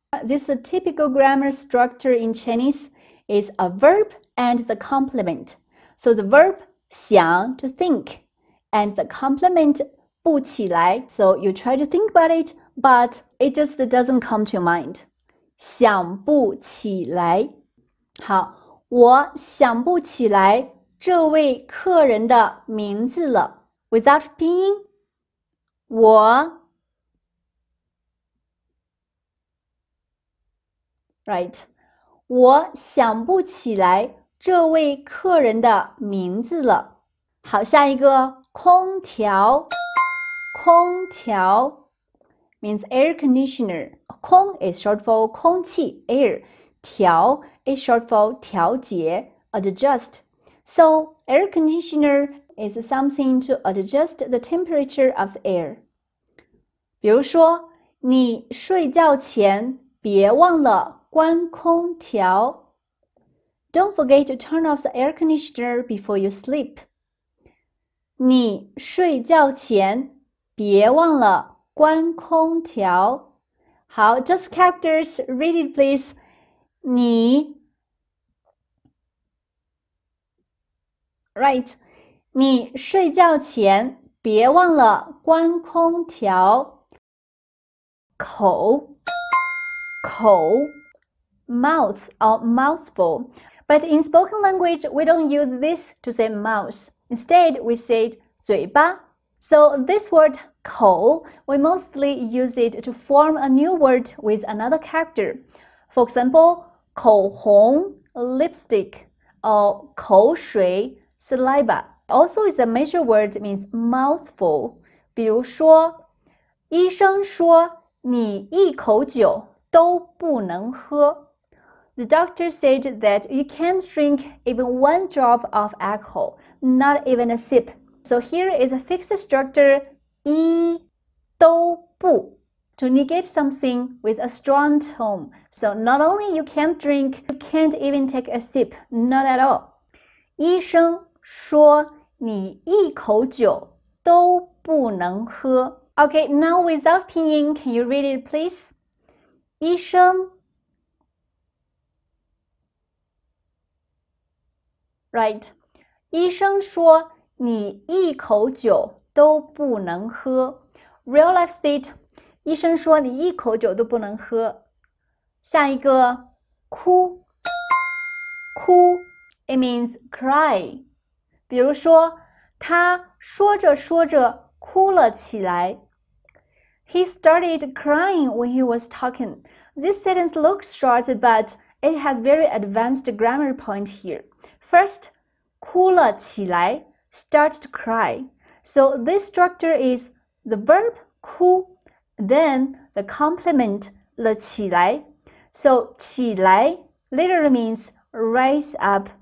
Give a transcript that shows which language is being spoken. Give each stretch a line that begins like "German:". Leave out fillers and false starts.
English: This is a typical grammar structure in Chinese. It's a verb and the complement. So the verb 想 to think, and the complement 不起来. So you try to think about it, but it just doesn't come to your mind.
Chinese: 想不起来。好，我想不起来这位客人的名字了。
English: Without 拼音，我。 Right,
Chinese: 我想不起来这位客人的名字了。好，下一个空调，空调
English: means air conditioner. 空 is short for 空气 air. 调 is short for 调节 adjust. So air conditioner is something to adjust the temperature of the air.
Chinese: 比如说，你睡觉前别忘了。关空调。
English: Don't forget to turn off the air conditioner before you sleep.
Chinese: 你睡觉前别忘了关空调。好 ,
English: just characters, read it please.
Chinese: 你 Right, 你睡觉前别忘了关空调。
English: 口口Mouth or mouthful. But in spoken language, we don't use this to say mouth. Instead, we say 嘴巴.So this word 口, we mostly use it to form a new word with another character. For example, 口红 lipstick, or 口水 saliva. Also, it's a major word, means mouthful.
Chinese: 比如说，医生说你一口酒都不能喝。
English: The doctor said that you can't drink even one drop of alcohol, not even a sip. So here is a fixed structure, 一都不, to negate something with a strong tone. So not only you can't drink, you can't even take a sip, not at all.
Chinese: 医生说你一口酒都不能喝。
English: Okay, now without pinyin, can you read it please?
Chinese: 医生
English: Right,
Chinese: 医生说你一口酒都不能喝。
English: Real life speed,
Chinese: 医生说你一口酒都不能喝。下一个，哭，哭
English: ，it means cry.
Chinese: 比如说，他说着说着哭了起来。
English: He started crying when he was talking. This sentence looks short, but it has very advanced grammar point here. First, 哭了起来 start to cry. So this structure is the verb 哭 then the complement 了起来 So 起来 literally means rise up.